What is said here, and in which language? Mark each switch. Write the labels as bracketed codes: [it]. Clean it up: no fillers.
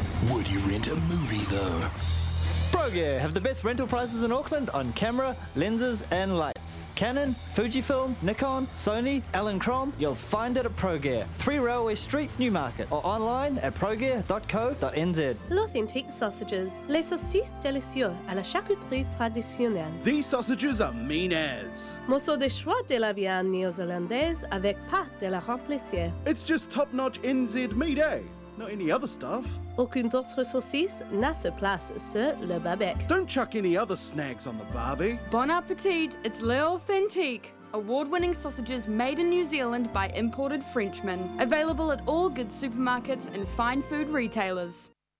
[en] Would you rent a movie, though? ProGear have the best rental prices in Auckland on camera, lenses, and lights. Canon, Fujifilm, Nikon, Sony, Allen Crom, you'll find it at ProGear, 3 Railway Street, Newmarket, or online at progear.co.nz. [fr] L'authentic sausages, les saucisses délicieux à la charcuterie traditionnelle. [en] These sausages are mean as. [fr] Morceau de choix de la viande néo-zélandaise avec pâte de la remplissière. [en] It's just top-notch NZ meat, eh? Not any other stuff. [fr] Aucune d'autre saucisse n'a sa place sur le barbec. [en] Don't chuck any other snags on the barbie. Bon appétit, it's L'Authentique. Award-winning sausages made in New Zealand by imported Frenchmen. Available at all good supermarkets and fine food retailers.